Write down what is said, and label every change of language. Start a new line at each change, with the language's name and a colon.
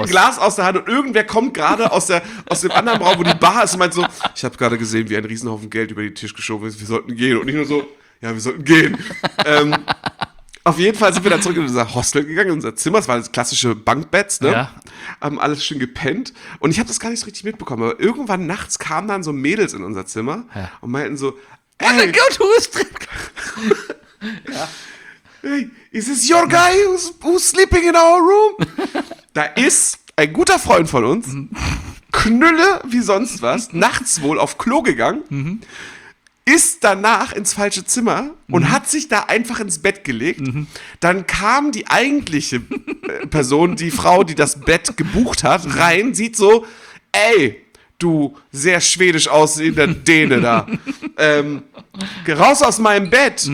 German: ein Glas aus der Hand und irgendwer kommt gerade aus dem anderen Raum, wo die Bar ist und meint so, ich habe gerade gesehen, wie ein Riesenhaufen Geld über den Tisch geschoben ist, wir sollten gehen. Und nicht nur so, ja, wir sollten gehen. Auf jeden Fall sind wir dann zurück in unser Hostel gegangen, in unser Zimmer. Das waren das klassische Bunkbeds, ne? Ja. Haben alles schön gepennt. Und ich habe das gar nicht so richtig mitbekommen. Aber irgendwann nachts kamen dann so Mädels in unser Zimmer und meinten so, ey, oh mein Gott,
English: who is
German: drin?
English: Hey, is this your guy who's sleeping in our room?
German: Da ist ein guter Freund von uns, Knülle wie sonst was, nachts wohl auf Klo gegangen, ist danach ins falsche Zimmer und hat sich da einfach ins Bett gelegt. Dann kam die eigentliche Person, die Frau, die das Bett gebucht hat, rein, sieht so, ey, du sehr schwedisch aussehender Däne da, raus aus meinem Bett.